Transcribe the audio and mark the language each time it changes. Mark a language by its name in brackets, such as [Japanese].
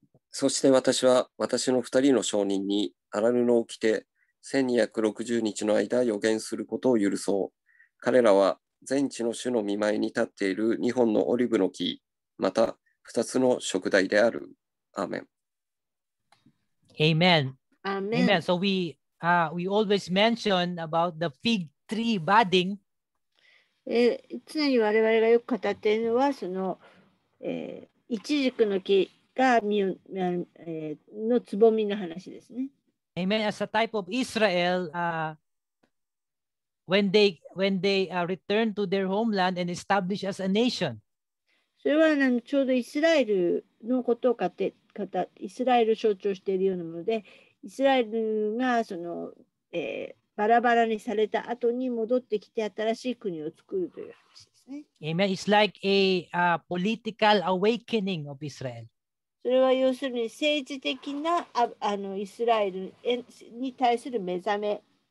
[Japanese] そして私は私の二人の証人に荒布を着て1260日の間予言することを許そう。彼らは全地の主の御前に立っている二本のオリブの木、また二つの燭台である。アーメン。 [English] Amen. Amen. Amen. So we always mention about the fig tree budding. [Japanese] 常に我々がよく語っているのはそのイチジクの木が実を、のつぼみの話ですね。 [English] Amen. As a type of Israel, When they return to their homeland and establish as a nation. [Japanese] それはちょうどイスラエルのことを語イスラエルを象徴しているようなもので、イスラエルがその、バラバラにされた後に戻ってきて新しい国を作るという話ですね。 [English] Amen. It's like a political awakening of Israel. [Japanese] それは要するに政治的なイスラエルに対する目覚め。